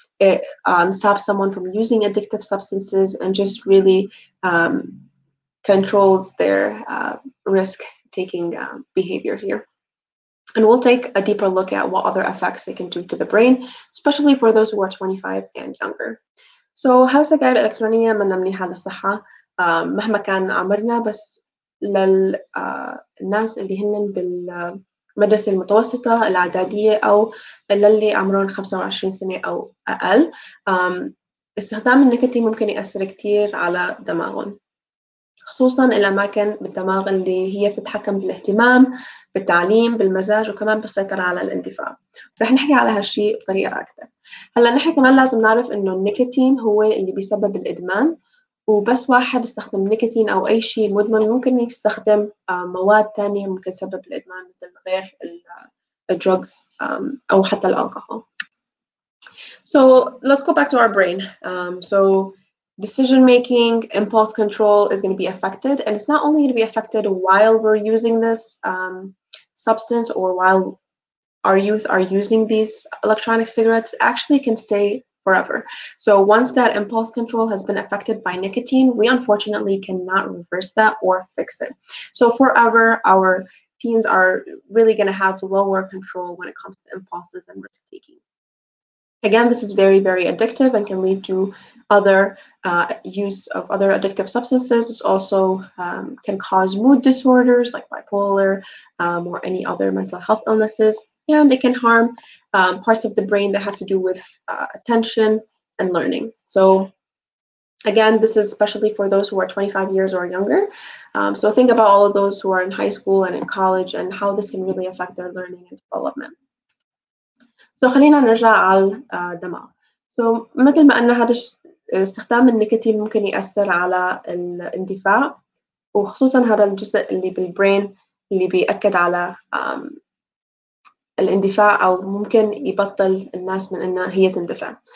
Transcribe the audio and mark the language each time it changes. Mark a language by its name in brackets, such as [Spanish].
[English] It stops someone from using addictive substances and just really controls their risk-taking behavior here. And we'll take a deeper look at what other effects they can do to the brain, especially for those who are 25 and younger. So how is [Arabic] سجائر إلكترونية منا منيحة للصحة مهما كان عمرنا بس للناس اللي هنن بالمدرسة المتوسطة الإعدادية أو للي عمرهم 25 سنة أو أقل استخدام النيكوتين ممكن يأثر كتير على دماغهم خصوصاً الأماكن بالدماغ اللي هي بتتحكم بالاهتمام بالتعليم بالمزاج وكمان بالسيطرة على الاندفاع رح نحكي على هالشي بطريقة أكثر هلأ نحن كمان لازم نعرف إنه النيكوتين هو اللي بيسبب الإدمان وبس واحد استخدم نيكوتين أو أي شيء مدمن ممكن يستخدم مواد تانية ممكن تسبب الإدمان مثل غير الدروغز أو حتى الكحول. [English] So let's go back to our brain. So decision making, impulse control is going to be affected, and it's not only going to be affected while we're using this substance or while our youth are using these electronic cigarettes, actually can stay forever. So once that impulse control has been affected by nicotine, we unfortunately cannot reverse that or fix it. So forever, our teens are really going to have lower control when it comes to impulses and risk taking. Again, this is very, very addictive and can lead to other use of other addictive substances. It also can cause mood disorders like bipolar or any other mental health illnesses. And it can harm parts of the brain that have to do with attention and learning. So again, this is especially for those who are 25 years or younger. So think about all of those who are in high school and in college and how this can really affect their learning and development. [Arabic] So خلينا نرجع على الدماغ. So مثل ما قلنا هذا استخدام النيكوتين ممكن يأثر على الاندفاع وخصوصا هذا الجزء اللي بالبرين اللي بيأكد على الاندفاع أو ممكن يبطل الناس من إنها هي تندفع.